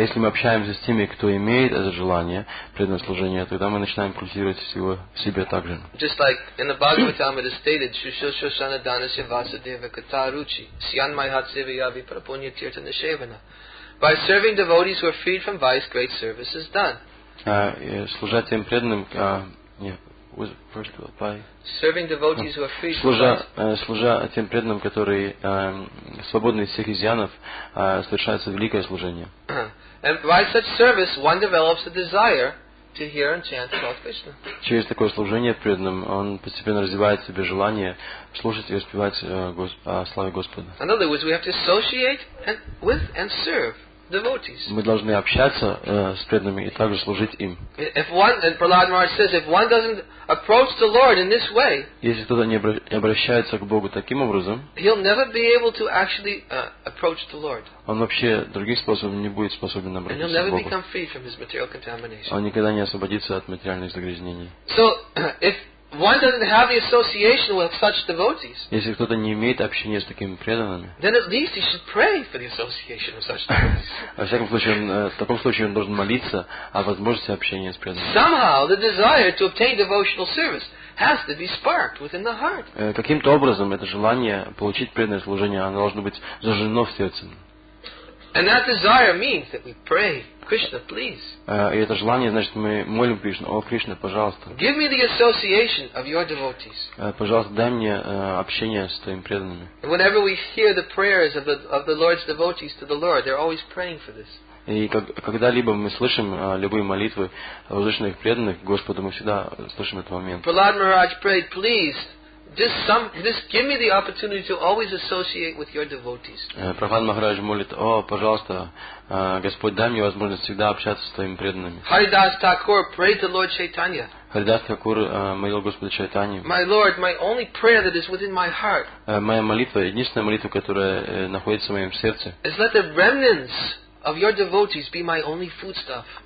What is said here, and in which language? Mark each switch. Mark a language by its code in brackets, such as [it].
[ru] Если мы общаемся с теми, кто имеет это желание преданное служение, тогда мы начинаем культивировать его в себе также. [en] Just like in the Bhagavatam it is stated, [sa] Shushoshana Danasya Vasudeva Kataruchi Sian Mahatsevayavi Prapunya Tirtha Nishevana. [en] By serving devotees who are freed from vice, great service is done. [ru] Служа тем преданным, служа тем преданным, которые свободны от всех изъянов, совершается великое служение. [en] And by such service, one develops a desire to hear and chant Lord Krishna. [ru] Через такое служение преданным, он постепенно развивает в себе желание слушать и воспевать славу Господа. [en] In other words, we have to associate with and serve. [ru] Мы должны общаться с преданными и также служить им. [en] If one, and Prahlad Maharaj says, if one doesn't approach the Lord in this way, [ru] если кто-то не обращается к Богу таким образом, [en] he'll never be able to actually approach the Lord. [ru] Он вообще другим способом не будет способен обратиться к Богу. [en] And he'll never become free from his material contamination. [ru] Он никогда не освободится от материальных загрязнений. [en] So, if one doesn't have the association with such devotees, [ru] если кто-то не имеет общения с такими преданными, [en] then at least he should pray for the association of such devotees. [ru] Во всяком случае, в таком случае он должен молиться о возможности общения с преданными. [en] Somehow the desire to obtain devotional service has to be sparked within the heart. [ru] Каким-то образом это желание получить преданное служение, оно должно быть зажжено в сердце. [en] And that desire means that we pray, Krishna, please. [ru] И это желание, значит, мы молим Кришну: О, Кришна, пожалуйста. [en] Give me the association of your devotees. [ru] Пожалуйста, дай мне общение с твоими преданными. [en] And whenever we hear the prayers of the Lord's devotees to the Lord, they're always praying for this. [ru] И когда-либо мы слышим любые молитвы возвышенных преданных Господу, мы всегда слышим этот момент. [en] Prahlad Maharaj prayed, please. Just give me the opportunity to always associate with your devotees. [ru] Прахлад Махарадж молит: О, пожалуйста, Господь, дай мне возможность всегда общаться с твоими преданными. [en] Харидас Такур prayed to Lord Chaitanya. [ru] Харидас Такур молил Господа Чайтанью. [en] My Lord, my only prayer that is within my heart. [ru] Моя молитва, единственная молитва, которая находится в моем сердце. [en] Is that the remnants of your devotees be my only foodstuff.